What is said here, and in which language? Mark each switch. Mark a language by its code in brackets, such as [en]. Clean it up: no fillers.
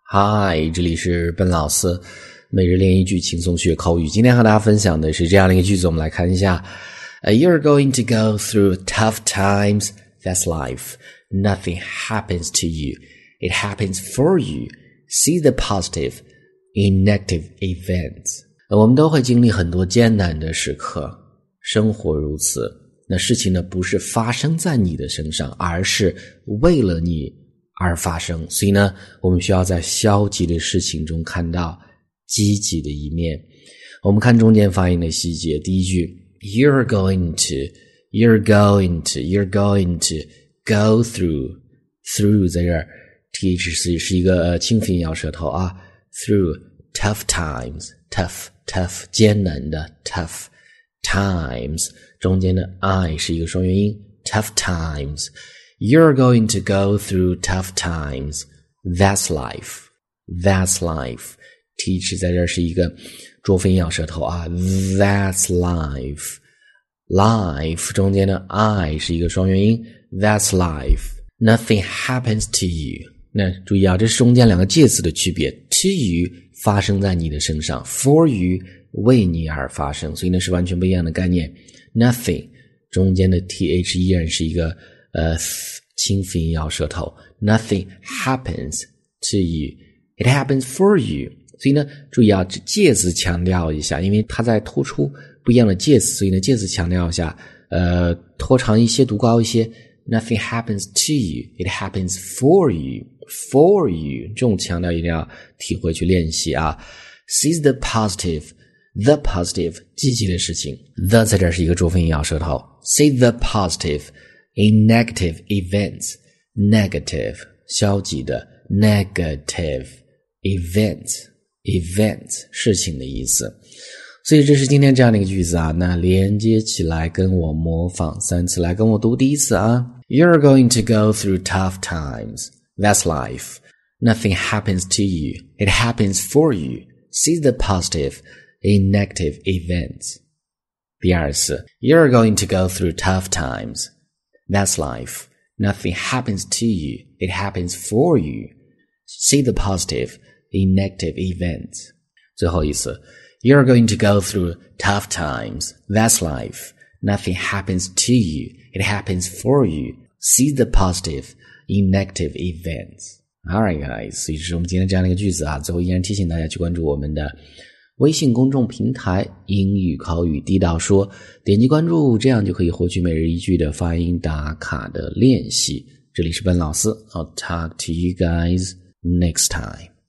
[zh] 嗨，这里是笨老师，每日练一句轻松学口语。今天和大家分享的是这样的一个句子，我们来看一下。 [en] You're going to go through tough times, that's life. Nothing happens to you, it happens for you. See the positive in negative events. [zh] 我们都会经历很多艰难的时刻，生活如此。那事情呢，不是发生在你的身上，而是为了你而发生，所以呢，我们需要在消极的事情中看到积极的一面。我们看中间发音的细节。第一句 ， [en] you're going to go through [zh] 在这儿 ，th 是一个清辅音咬舌头啊 ， [en] through tough times [zh] 艰难的 [en] tough times [zh] 中间的 i 是一个双元音 tough times。 [en] You're going to go through tough times. That's life. That's life. [zh] Teach 在这是一个浊辅音咬舌头啊。 [en] That's life. [zh] Life 中间的 I 是一个双元音。 [en] That's life. Nothing happens to you. [zh] 那注意啊，这是中间两个介词的区别。 [en] To you [zh] 发生在你的身上 ， [en] for you [zh] 为你而发生，所以那是完全不一样的概念。 Nothing 中间的 th 依然是一个。清辅音咬舌头 [en] ，nothing happens to you，it happens for you。 [zh] 所以呢，注意啊，介词强调一下，因为它在突出不一样的介词，所以呢，介词强调一下，拖长一些，读高一些 ， [en] nothing happens to you，it happens for you， for you [zh] 这种强调一定要体会去练习啊。 [en] See the positive，the positive [zh] 积极的事情 [en] ，the [zh] 在这是一个浊辅音咬舌头 [en] ，see the positive。 In negative events, negative, [zh] 消极的 [en] negative events, events, [zh] 事情的意思。所以这是今天这样的一个句子啊，那连接起来跟我模仿三次，来跟我读第一次啊。 [en] You're going to go through tough times, that's life. Nothing happens to you, it happens for you. See the positive in negative events. [zh] 第二次 [en] You're going to go through tough times. That's life. Nothing happens to you. It happens for you. See the positive in negative events. [zh] 最后一次 [en] You're going to go through tough times. That's life. Nothing happens to you. It happens for you. See the positive in negative events. Alright guys, [zh] 所以这是我们今天这样的一个句子啊。最后依然提醒大家去关注我们的微信公众平台英语口语地道说，点击关注，这样就可以获取每日一句的发音打卡的练习。这里是笨老师， [en] I'll talk to you guys next time.